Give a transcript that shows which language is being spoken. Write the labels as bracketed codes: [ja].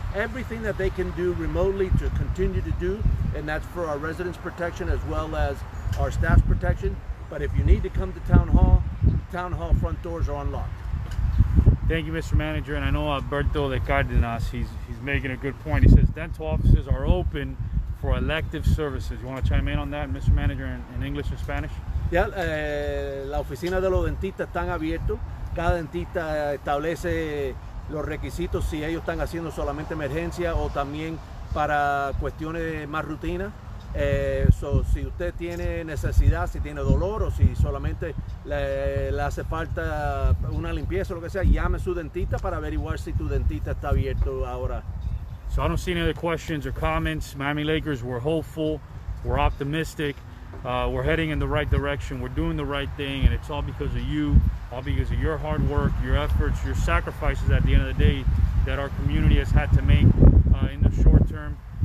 [en] Everything that they can do remotely to continue to do, and that's for our residents' protection as well as our staff's protection. But if you need to come to town hall front doors are unlocked. Thank you, Mr. Manager. And I know Alberto de Cardenas, he's making a good point. He says dental offices are open for elective services. You want to chime in on that, Mr. Manager, in English or Spanish? [es] Yeah, la oficina de los dentistas están abierto. Cada dentista establece los requisitos si ellos están haciendo solamente emergencia o también para cuestiones más rutina. So si usted tiene necesidad, si tiene dolor o si solamente le hace falta una limpieza o lo que sea, llame a su dentista para averiguar si tu dentista está abierto ahora. [en] So I don't see any other questions or comments. Miami Lakers, we're hopeful, we're optimistic, we're heading in the right direction, we're doing the right thing, and it's all because of you, all because of your hard work, your efforts, your sacrifices at the end of the day that our community has had to make in the short term.